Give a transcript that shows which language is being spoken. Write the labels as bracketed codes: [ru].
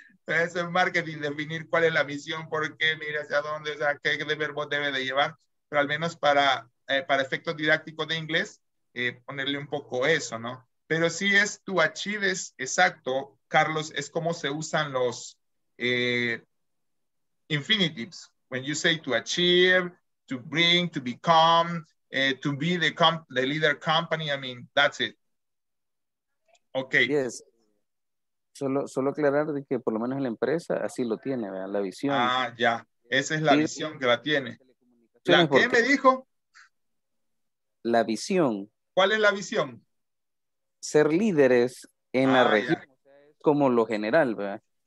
[es] Pero eso es marketing, definir cuál es la misión, por qué, mira hacia dónde, o sea, qué de verbo debe de llevar. Pero al menos para efectos didácticos de inglés, ponerle un poco eso, ¿no? Pero sí es to achieve, es exacto, Carlos, es como se usan los infinitives. [en] When you say to achieve, to bring, to become, to be the leader company, I mean, that's it. Okay. Yes. [es] Solo aclarar de que por lo menos la empresa así lo tiene, ¿verdad? La visión. Ah, ya. Esa es la visión que la tiene. ¿La qué me dijo? La visión. ¿Cuál es la visión? Ser líderes en la región. Ya. Como lo general, ¿verdad?